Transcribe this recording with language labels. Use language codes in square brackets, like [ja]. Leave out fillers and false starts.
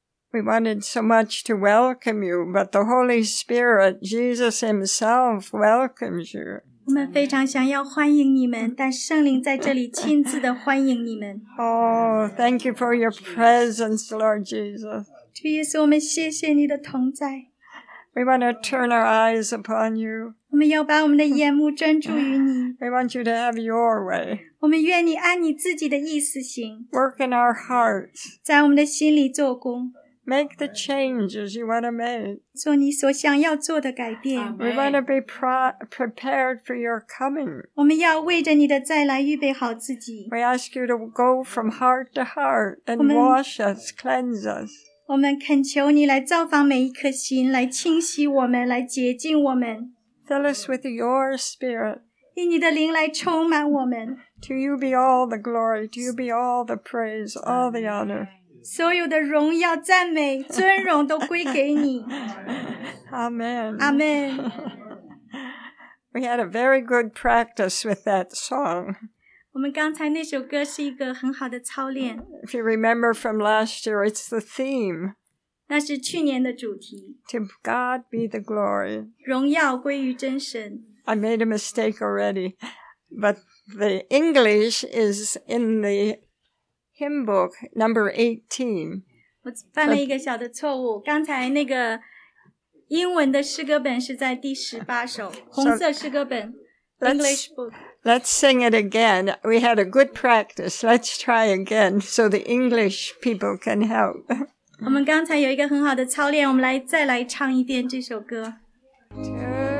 [en] We wanted so much to welcome you, but the Holy Spirit, Jesus Himself, welcomes you. [zh] 我们非常想要欢迎你们，但圣灵在这里亲自的欢迎你们。 [en] Oh, thank you for your presence, Lord Jesus. [zh] 主耶稣，我们谢谢你的同在。 [en] We want to turn our eyes upon you. [zh] 我们要把我们的眼目专注于你。 [en] We want you to have your way. [zh] 我们愿你按你自己的意思行。 [en] Work in our hearts. [zh] 在我们的心里做工。 [en] Make the changes you want to make. [zh] 做你所想要做的改变。 [en] We want to be prepared for your coming. [zh] 我们要为着你的再来预备好自己。 [en] We ask you to go from heart to heart and wash us, cleanse us. [zh] 我们恳求你来造访每一颗心，来清洗我们，来洁净我们。 [en] Fill us with your spirit. [zh] 以你的灵来充满我们。 [en] To you be all the glory, to you be all the praise, all the honor. [zh] 所有的荣耀、赞美、尊荣都归给你。 [en] Amen. Amen. We had a very good practice with that song. [zh] 我们刚才那首歌是一个很好的操练。 [en] If you remember from last year, it's the theme. [zh] 那是去年的主题。 [en] To God be the glory. [zh] 荣耀归于真神。 [en] I made a mistake already, but the English is in the... Hymn book number 18. [zh] 我犯了一个小的错误。刚才那个英文的诗歌本是在第十八首，红色诗歌本 [en] English book. Let's sing it again. We had a good practice. Let's try again so the English people can help. [zh] 我们刚才有一个很好的操练，我们来再来唱一遍这首歌。